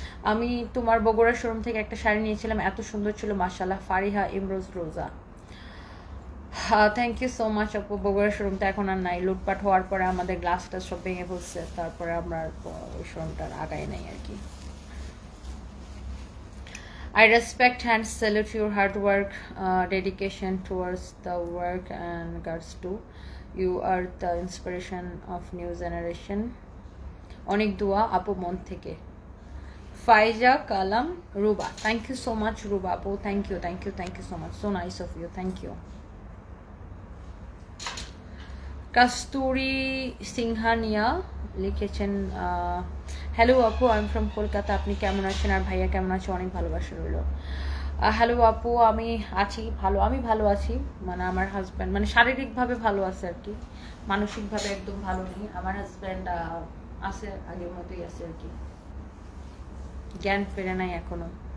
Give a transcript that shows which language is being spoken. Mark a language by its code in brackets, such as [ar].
[bn] আমি তোমার বগুড়া শোরুম থেকে একটা শাড়ি নিয়েছিলাম, এত সুন্দর ছিল মাশাল্লাহ, ফারিহা ইমরোজ রোজা। হ্যাঁ থ্যাংক ইউ সো মাচ আপু, বগুড়া শোরুমটা এখন আর নাই, লুটপাট হওয়ার পরে আমাদের গ্লাসটা সব ভেঙে পড়ছে, তারপরে আমরা ওই শোরুমটার আগায় নেই আর কি। [en] I respect and salute your hard work, dedication towards the work and guards too. You are the inspiration of new generation. [bn] Onik dua apu mon theke. [en] Faiza Kalam Ruba. Thank you so much Ruba apu. Thank you, thank you, thank you so much. So nice of you. Thank you. [bn] Kasturi Singhania লিখেছেন, [en] hello আপু I am from Kolkata, [bn] আপনি কেমন আছেন আর ভাইয়া কেমন আছে, অনেক ভালোবাসা রইল। হ্যালো আপু, আমি আছি ভালো, আমি ভালো আছি, মানে আমার হাজব্যান্ড মানে শারীরিকভাবে ভালো আছে আর কি, মানসিকভাবে একদম ভালো নেই, আমার হাজব্যান্ড আছে আগের মতোই আছে আর কি, জ্ঞান ফেরে নাই এখনো।